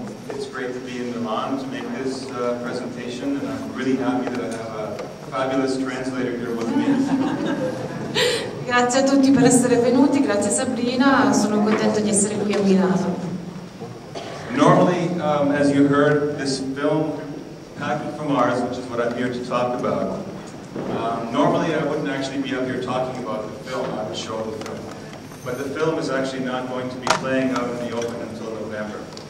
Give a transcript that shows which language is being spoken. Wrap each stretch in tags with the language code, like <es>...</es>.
<en>It's great to be in Milan to make this presentation, and I'm really happy that I have a fabulous translator here with me.</en> <it>Grazie a tutti per essere venuti, grazie Sabrina, sono contento di essere qui a Milano.</it> <en>Normally, as you heard, this film, Packing for Mars, which is what I'm here to talk about, normally I wouldn't actually be up here talking about the film, I would show the film. But the film is actually not going to be playing out in the open until November.</en>